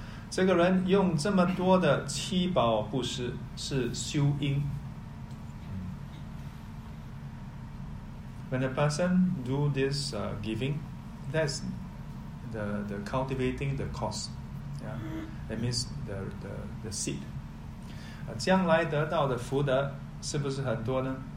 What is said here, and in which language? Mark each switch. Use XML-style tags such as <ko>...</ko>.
<zh>这个人用这么多的七宝布施 是修因.</zh> <en>When a person do this giving, that's the cultivating the cause. Yeah. That means the seed.</en> <zh>将来得到的福德是不是很多呢?</zh>